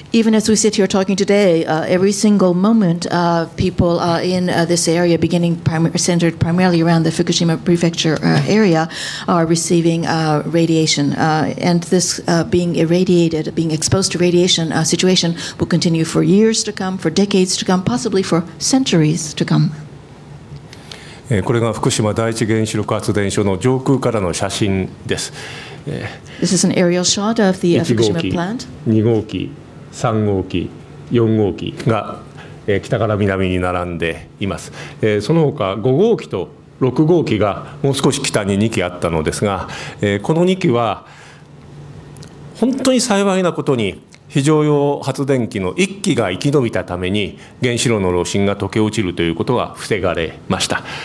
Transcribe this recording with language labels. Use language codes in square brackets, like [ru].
[en] Even as we sit here talking today, every single moment people in this area beginning centered primarily around the Fukushima prefecture area are receiving radiation and this being irradiated, being exposed to radiation situation will continue for years to come, for decades to come, possibly for centuries to come. [ja] これが福島第一原子力発電所の上空からの写真です。 [en] This is an aerial shot of the Fukushima plant. [ja] 1号機、2号機、3号機、4号機が北から南に並んでいます。その他5号機と6号機がもう少し北に2機あったのですが、この2機は本当に幸いなことに非常用発電機の1機が生き延びたために原子炉の炉心が溶け落ちるということは防がれました。